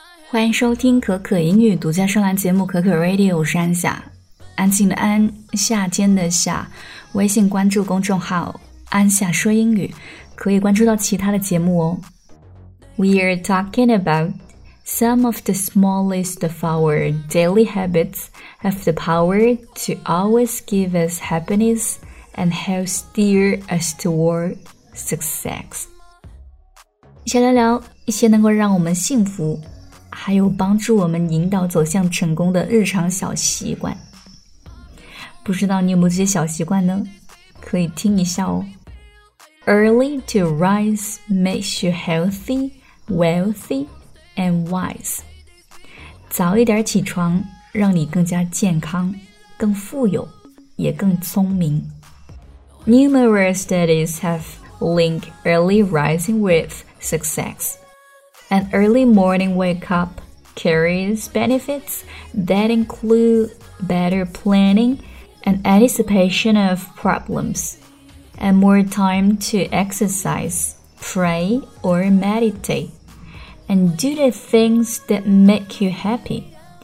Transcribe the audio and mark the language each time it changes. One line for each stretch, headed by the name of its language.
Chinese: 欢迎收听可可英语独家声栏节目可可 Radio， 我是安夏，安静的安，夏天的夏。微信关注公众号安夏说英语，可以关注到其他的节目哦。
English: We are talking about some of the smallest of our daily habits have the power to always give us happiness and help steer us toward success。
Chinese: 一起来聊一些能够让我们幸福还有帮助我们引导走向成功的日常小习惯。不知道你有没有这些小习惯呢？可以听一下哦。
English: Early to rise makes you healthy, wealthy, and wise.
Chinese: 早一点起床让你更加健康，更富有，也更聪明。
English: Numerous studies have linked early rising with success. An early morning wake up carries benefits that include better planning and anticipation of problems, and more time to exercise, pray, or meditate, and do the things that make you happy.